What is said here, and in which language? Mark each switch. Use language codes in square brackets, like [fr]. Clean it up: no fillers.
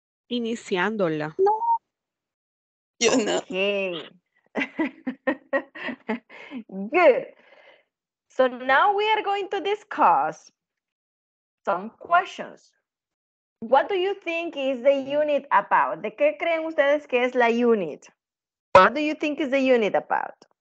[es] Iniciándola. No. Yo no. [en] Okay. Good. So now we are going to discuss some questions. What do you think is the unit about? [es] ¿De qué creen ustedes que es la unit? [en] What do you think is the unit about?